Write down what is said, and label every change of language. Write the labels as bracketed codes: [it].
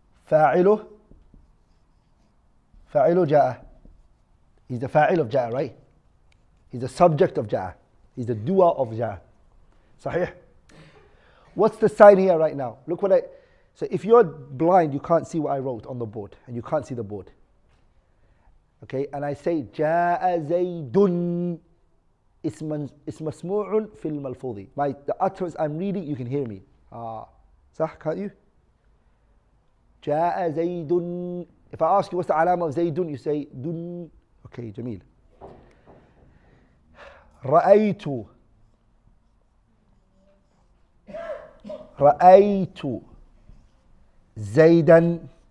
[ar] فاعله فاعله جاء. [en] He's the فاعل of جاء, right? He's the subject of جاء. He's the doer of جاء. [ar] صحيح. [en] What's the sign here right now? Look what I. So if you're blind, you can't see what I wrote on the board, and you can't see the board. Okay, and I say [ar] جَاءَ زَيْدٌ اسْمَ مَسْمُوعٌ فِي الْمَلْفُوظِ. [en] My, the utterance I'm reading, you can hear me. [ar] صح, [en] can't you? [ar] جَاءَ زَيْدٌ. [en] If I ask you what's the alama of زَيْدٌ, you say دُن. [ar] Okay, جميل. رَأَيْتُ رَأَيْتُ زَيْدًا.